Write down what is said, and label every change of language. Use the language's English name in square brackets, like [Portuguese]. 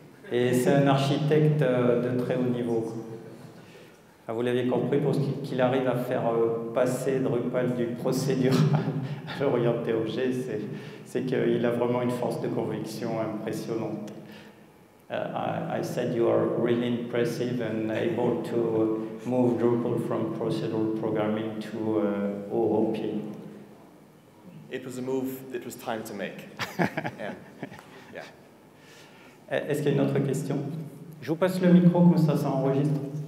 [French] Et c'est un architecte de très haut niveau. Vous l'aviez compris, pour ce qu'il arrive à faire passer Drupal du procédural à l'orienté objet, c'est qu'il a vraiment une force de conviction impressionnante. [English] I said you are really impressive and able to move Drupal from procedural programming to OOP. It was a move that was time to make. Yeah. [French] Est-ce qu'il y a une autre question? Je vous passe le micro, comme ça, ça enregistre.